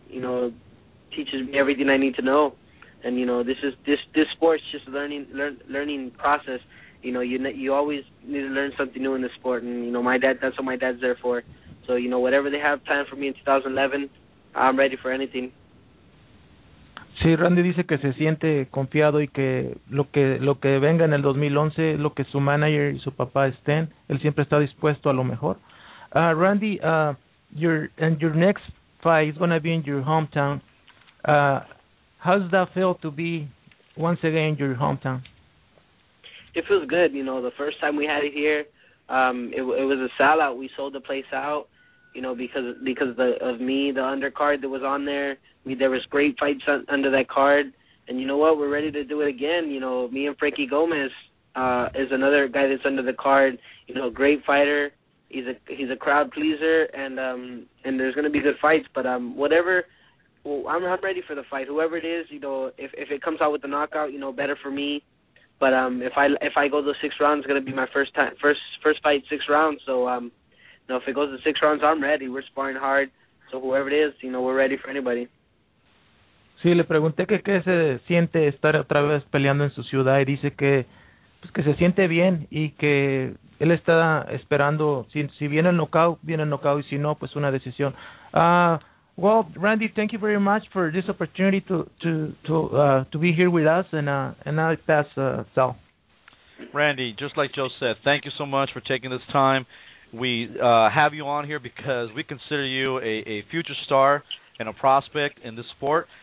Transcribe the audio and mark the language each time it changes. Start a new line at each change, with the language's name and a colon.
English: You know, teaches me everything I need to know. And, you know, this sport's just a learning process. You know, you always need to learn something new in the sport. And, you know, my dad, that's what my dad's there for. So, you know, whatever they have planned for me in 2011, I'm ready for anything.
Spanish: Sí, Randy dice que se siente confiado y que lo que venga en el 2011, lo que su manager y su papá estén, él siempre está dispuesto a lo mejor.
English: Randy, your next fight is going to be in your hometown. How's that feel to be once again in your hometown? It feels good. You know, the first time we had it here, it was a sellout. We sold the place out. You know, because of me, the undercard that was on there, there was great fights under that card. And you know what? We're ready to do it again. You know, me and Frankie Gomez is another guy that's under the card. You know, great fighter. He's a crowd pleaser, and there's going to be good fights. But whatever, I'm ready for the fight. Whoever it is, you know, if it comes out with a knockout, you know, better for me. But if I go those six rounds, it's going to be my first fight, six rounds. So, no, if it goes to six rounds, I'm ready. We're sparring hard. So whoever it is, you know, we're ready for anybody.
Spanish: Sí, le pregunté qué se siente estar otra vez peleando en su ciudad y dice que, pues, que se siente bien y que él está esperando. Si viene el knockout, viene el knockout. Y si no, pues una decisión.
English: Well, Randy, thank you very much for this opportunity to be here with us. And I pass Sal. Randy, just like Joe said, thank you so much for taking this time. We have you on here because we consider you a future star and a prospect in this sport.